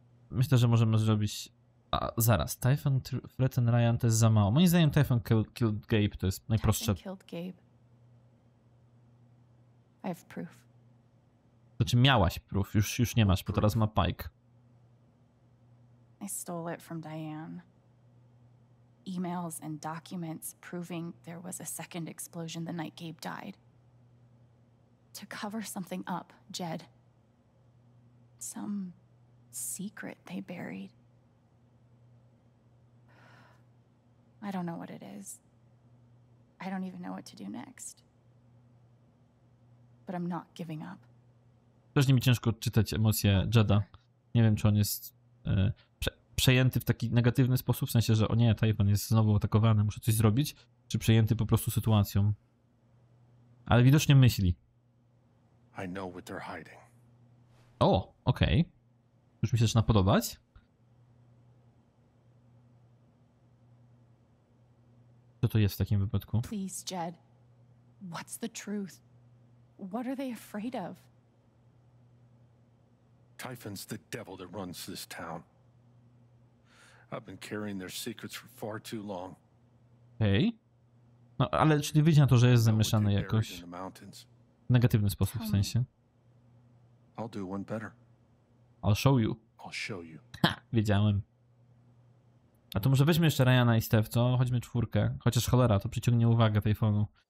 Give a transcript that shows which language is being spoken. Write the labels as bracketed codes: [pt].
[pl] Myślę, że możemy zrobić. A zaraz, Typhon threaten Ryan to jest za mało. Moim zdaniem Typhon killed Gabe, to jest najprostsze. [en] I have proof. [pl] Znaczy miałaś proof, już nie masz, bo teraz ma Pike. [en] I stole it from Diane. Emails and documents proving there was a second explosion the night Gabe died. To cover something up, Jed. Some secret they buried. I don't know what it is. I don't even know what to do next. But I'm not giving up. [pl] Też mi ciężko czytać emocje Jeda. Nie wiem, czy on jest przejęty w taki negatywny sposób, w sensie, że o nie, Typhon jest znowu atakowany, muszę coś zrobić, czy przejęty po prostu sytuacją. Ale widocznie myśli. [en] I know what they're hiding. [pl] O, okej. Okay. Już mi się zaczyna podobać. Co to jest w takim wypadku? [en] Please, Jed. What's the truth? What are they afraid of? Typhon's the devil that runs this town. I've been carrying their secrets for far too long. Hey. [pl] No, ale czyli wyjdzie na to, że jest zamieszany jakoś. W negatywny sposób, w sensie. [en] I'll do one better. I'll show you. I'll show you. [pl] Ha, wiedziałem. A to może weźmy jeszcze Ryana i Steph, co? Chodźmy czwórkę. Chociaż cholera, to przyciągnie uwagę tej fonu.